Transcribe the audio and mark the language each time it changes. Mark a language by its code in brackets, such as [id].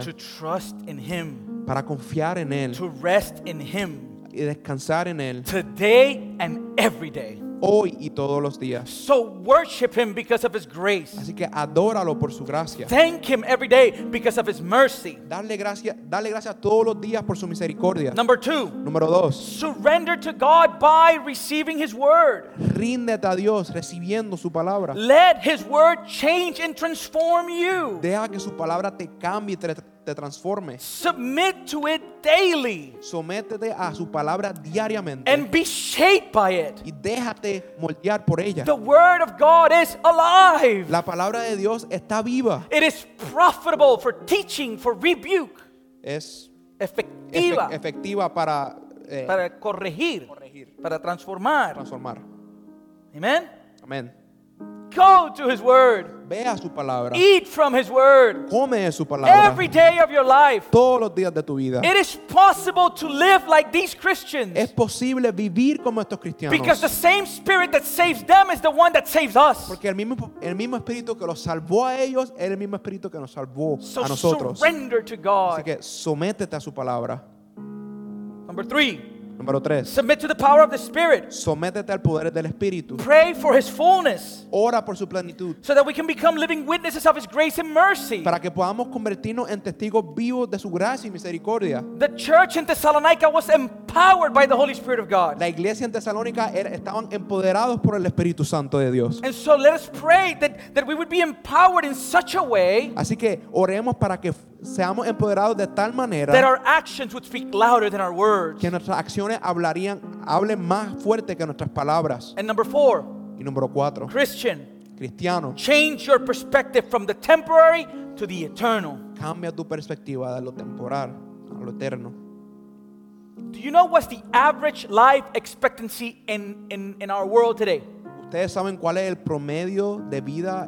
[en] To trust in him. [es] Para confiar en él. [en] To rest in him. [es] Y descansar en él. [en] Today and every day. [es] Hoy y todos los días. [en] So worship him because of his grace. [es] Así que adóralo por su gracia. [en] Thank him every day because of his mercy. [es] Dale gracias todos los días por su misericordia. [en] Number two. [es] Número dos. [en] Surrender to God by receiving his word. [es] Ríndete a Dios recibiendo su palabra. [en] Let his word change and transform you. [es] Deja que su palabra te cambie y te transforme. [en] Submit to it daily. [es] Sométete a su palabra diariamente. [en] And be shaped by it. [es] Y déjate moldear por ella. [en] The word of God is alive. [es] La palabra de Dios está viva. [en] It is profitable for teaching, for rebuke. [es] Es efectiva. Efectiva para para corregir, corregir, para transformar. Transformar. [en] Amen. [es] Amen. [en] Go to his word. [es] Ve a su palabra. [en] Eat from his word. [es] Come de su palabra. [en] Every day of your life. [es] Todos los días de tu vida. [en] It is possible to live like these Christians. [es] Es posible vivir como estos cristianos. [en] Because the same spirit that saves them is the one that saves us. [es] Porque el mismo espíritu que los salvó a ellos es el mismo espíritu que nos salvó [en] so [es] a nosotros. [en] Surrender to God. [es] Así que sométete a su palabra. [en] Number three. [es] Número tres. [en] Submit to the power of the Spirit. [es] Sométete al poder del Espíritu. [en] Pray for his fullness. [es] Ora por su plenitud. [en] So that we can become living witnesses of his grace and mercy. [es] Para que podamos convertirnos en testigos vivos de su gracia y misericordia. [en] The church in Thessalonica was empowered by the Holy Spirit of God. [es] La iglesia en Tesalónica estaban empoderados por el Espíritu Santo de Dios. [en] And so let us pray that we would be empowered in such a way. [es] Así que oremos para que seamos empoderados de tal manera [en] that our actions would speak louder than our words. [es] Que nuestras acciones hablen más fuerte que nuestras palabras. [en] And number four. [es] Y número cuatro. [en] Christian. [es] Cristiano. [en] Change your perspective from the temporary to the eternal. [es] Cambia tu perspectiva de lo temporal a lo eterno. [en] Do you know what's the average life expectancy in our world today? [es] ¿Ustedes saben cuál es el promedio de vida